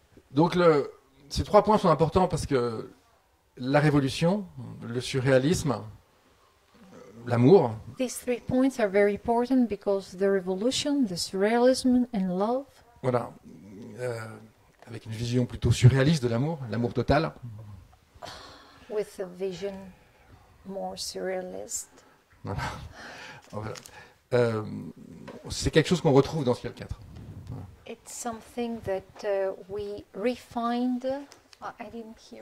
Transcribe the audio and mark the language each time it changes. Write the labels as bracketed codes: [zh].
[fr] Donc ces trois points sont importants parce que la révolution, le surréalisme, l'amour. [en] These three points are very important because the revolution, the surrealism and love. [fr] Voilà. Avec une vision plutôt surréaliste de l'amour, l'amour total. [en] With a vision more surrealist. [fr] Voilà. C'est quelque chose qu'on retrouve dans Ciel 4. [en] It's something that we refined. I didn't hear.